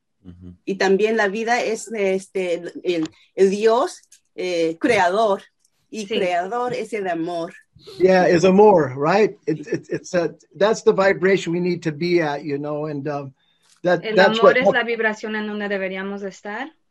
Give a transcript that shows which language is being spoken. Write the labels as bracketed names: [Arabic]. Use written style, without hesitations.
[Spanish] Uh-huh. Y también la vida es el Dios creador. Y sí. Creador es el amor. [English] Yeah, [Spanish] es amor, [English] right? That's the vibration we need to be at, you know? And that's what... [Spanish] El amor es la vibración en donde deberíamos estar.